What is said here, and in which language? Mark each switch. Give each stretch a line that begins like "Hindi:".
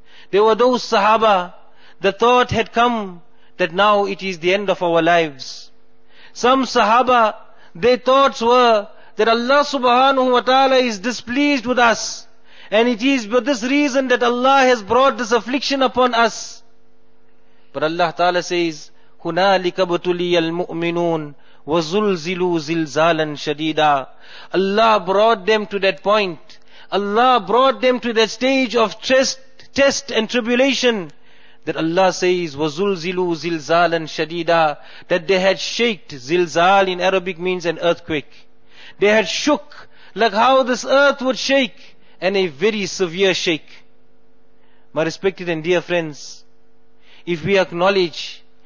English: There were those sahaba, the thought had come that now it is the end of our lives. Some sahaba, their thoughts were that Allah subhanahu wa ta'ala is displeased with us, and it is for this reason that Allah has brought this affliction upon us. But Allah ta'ala says,
Arabic: هُنَالِكَ بَتُلِيَ الْمُؤْمِنُونَ وَزُلْزِلُوا زِلْزَالًا شَدِيدًا.
English: Allah brought them to that point. Allah brought them to that stage of test and tribulation, that Allah says,
Arabic: وَزُلْزِلُوا زِلْزَالًا شَدِيدًا,
English: that they had shaked. Zilzal in Arabic means an earthquake. They had shook, like how this earth would shake, and a very severe shake. My respected and dear friends, if we acknowledge